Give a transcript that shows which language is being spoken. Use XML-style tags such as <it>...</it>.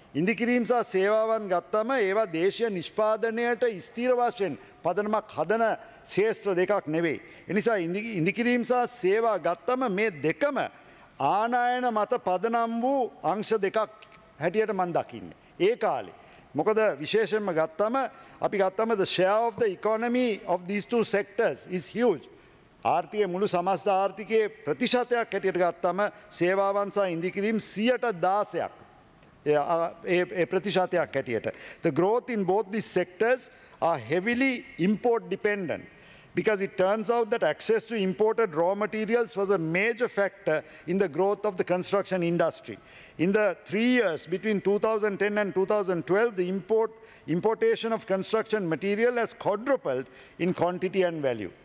<si>ඉන්දිකිරීම් සහ සේවාවන් ගත්තම ඒවා දේශීය නිෂ්පාදනයට ස්ථීර වශයෙන් පදනමක් හදන ක්ෂේත්‍ර දෙකක් නෙවෙයි. එනිසා ඉන්දිකිරීම් සහ සේවා ගත්තම මේ දෙකම ආනයන මත පදනම් වූ අංශ දෙකක් හැටියට මම දකින්නේ ඒ කාලේ. මොකද විශේෂයෙන්ම ගත්තම අපි ගත්තම</si> <en>the share of the economy of these two sectors is huge.</en> <si>ආර්ථික මුළු සමස්ත ආර්ථිකයේ ප්‍රතිශතයක් හැටියට ගත්තම සේවාවන් සහ ඉන්දිකිරීම් 10%ක් ඒ ප්‍රතිශතයක් හැටියට.</si> <en>The growth in both these sectors are heavily import dependent. because it turns out that access to imported raw materials was a major factor in the growth of the construction industry. In the 3 years between 2010 and 2012, the importation of construction material has quadrupled in quantity and value.</en>